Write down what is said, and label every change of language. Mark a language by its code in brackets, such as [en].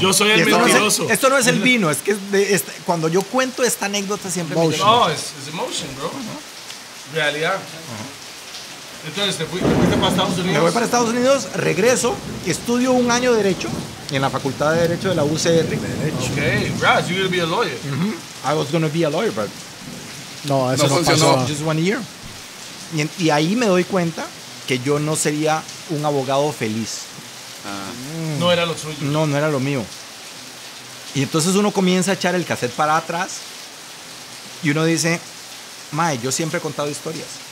[es] Yo soy el mentiroso. Esto no es el vino, es que cuando yo cuento esta anécdota siempre emotion. Me llega. No, es [en] emotion, bro. [es] Uh-huh. Realidad. Uh-huh. Entonces, ¿te fuiste para Estados Unidos? Me voy para Estados Unidos, regreso, estudio un año de Derecho en la Facultad de Derecho de la UCR. Derecho. [en] Ok, Raz, you're going to be a lawyer. Uh-huh. I was going to be a lawyer, but... [es] No, eso no funcionó. No. [en] Just one year. [es] Y ahí me doy cuenta que yo no sería un abogado feliz. no era lo suyo. No, no era lo mío. Y entonces uno comienza a echar el cassette para atrás y uno dice, mae, yo siempre he contado historias.